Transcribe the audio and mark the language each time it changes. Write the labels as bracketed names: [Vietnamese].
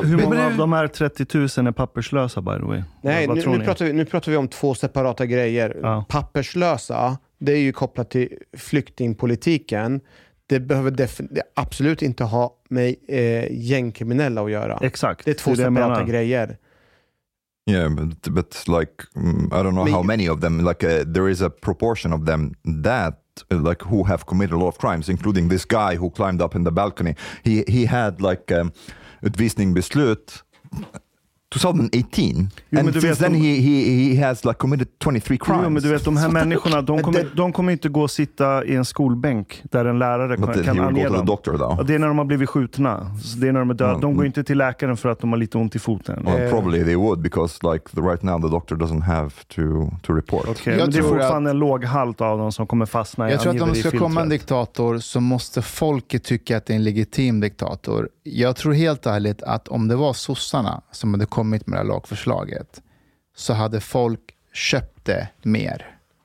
[Swedish] Hur många av de här 30 000 är papperslösa, [English] by the way? [Swedish] Nej, nu pratar vi om två separata grejer. Ja. Papperslösa, det är ju kopplat till flyktingpolitiken. Det behöver absolut inte ha med gängkriminella att göra. Exakt. Det är två separata grejer. [English] Yeah, but like I don't know how many of them, like there is a proportion of them that like who have committed a lot of crimes, including this guy who climbed up in the balcony. He had like utvisningsbeslut 2018. Jo, and since then he has like committed 23 crimes. [Swedish] Jo, men du vet, de här människorna, de kommer inte gå och sitta i en skolbänk där en lärare kan ange dem. [English] Doctor, [Swedish] det är när de har blivit skjutna. Så det är när de är döda. De går inte till läkaren för att de har lite ont i foten. [English] Well, probably they would, because like right now the doctor doesn't have to report. [Swedish] Okay, men det är fortfarande en låg halt av dem som kommer fastna i filtret. Jag tror att om det ska komma en diktator så måste folket tycka att det är en legitim diktator. Jag tror helt ärligt att om det var sossarna som hade kommit med det här lagförslaget så hade folk köpt det mer.